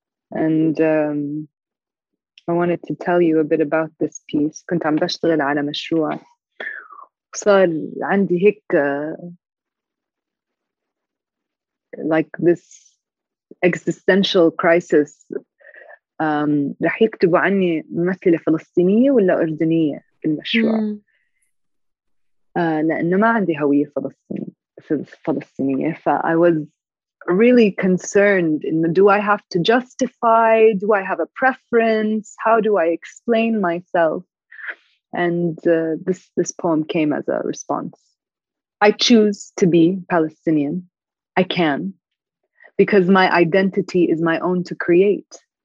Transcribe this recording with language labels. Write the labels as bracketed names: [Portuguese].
[English] And I wanted to tell you a bit about this piece. [Arabic] كنت عم بشتغل على مشروع وصار عندي هيك [English] like this existential crisis. [Arabic] رح يكتبوا عني ممثلة فلسطينية ولا أردنية في المشروع؟ لأنه ما عندي هوية فلسطينية. [English] فI was really concerned in the, do I have to justify, do I have a preference, how do I explain myself? And this poem came as a response. I choose to be Palestinian. I can, because my identity is my own to create.